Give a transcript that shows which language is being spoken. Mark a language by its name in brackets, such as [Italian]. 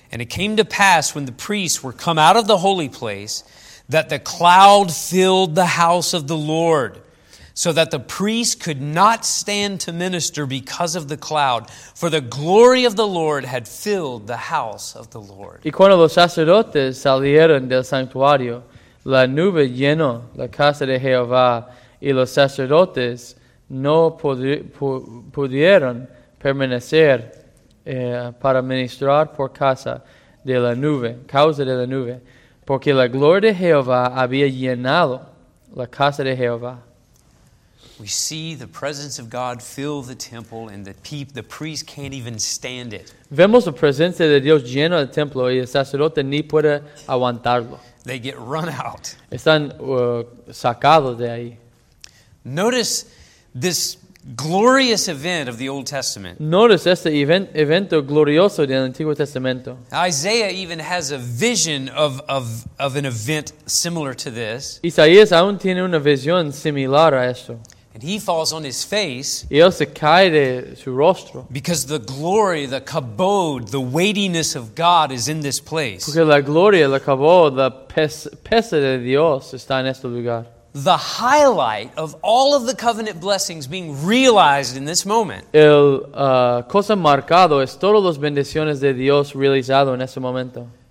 [English] And it came to pass when the priests were come out of the holy place, that the cloud filled the house of the Lord, so that the priest could not stand to minister because of the cloud, for the glory of the Lord had filled the house of the Lord. [Spanish] Y cuando los sacerdotes salieron del santuario, la nube llenó la casa de Jehová, y los sacerdotes no pudieron permanecer para ministrar por causa de la nube, porque la gloria de Jehová había llenado la casa de Jehová. [English] We see the presence of God fill the temple, and the priest can't even stand it. [Spanish] Vemos la presencia de Dios lleno el templo y el sacerdote ni puede aguantarlo. [English] They get run out. [Spanish] Están sacados de ahí. [English] Notice this glorious event of the Old Testament. [Spanish] Notice este evento glorioso del Antiguo Testamento. [English] Isaiah even has a vision of an event similar to this. [Spanish] Isaías aún tiene una visión similar a esto. [English] And he falls on his face. [Spanish] Y él se cae de su rostro. [English] Because the glory, the kabod, the weightiness of God is in this place. [Spanish] Porque la gloria, la kabod, la pesa de Dios está en este lugar. [English] The highlight of all of the covenant blessings being realized in this moment. [Spanish] El cosa marcado es todas las bendiciones de Dios realizado en este momento.